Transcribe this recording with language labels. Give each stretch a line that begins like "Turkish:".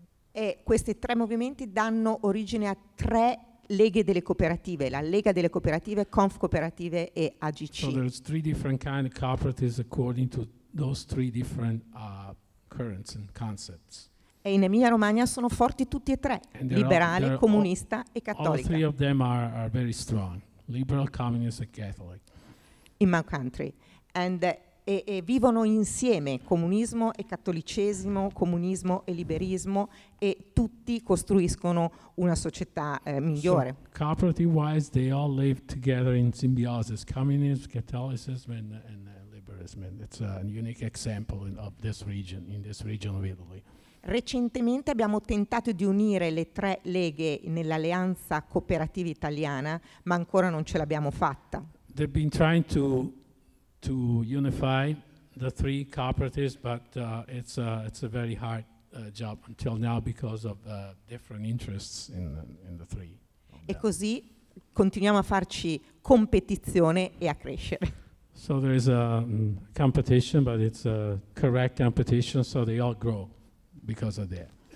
Italian: E questi tre movimenti danno origine a tre leghe delle cooperative: la Lega delle Cooperative, Conf Cooperative e AGC.
English: So there's three different kind of cooperatives according to those three different currents and concepts.
Italian: E in Emilia Romagna sono forti tutti e tre: liberali, comunista e cattolica.
English: All three of them are very strong: liberal, communist and Catholic. In my country, and
Italian: e vivono insieme comunismo e cattolicesimo, comunismo e liberismo, e tutti costruiscono una società migliore.
English: So, cooperative wise, they all live together in symbiosis: communism, Catholicism, and liberalism. It's a unique example of this region, in this region of Italy.
Italian: Recentemente abbiamo tentato di unire le tre leghe nell'alleanza cooperativa italiana, ma ancora non ce l'abbiamo fatta.
English: They've been trying to unify the three cooperatives, but it's a very hard job until now because of different interests in the three.
Italian: E così continuiamo a farci competizione e a crescere.
English: So there is a competition, but it's a correct competition, so they all grow because of that.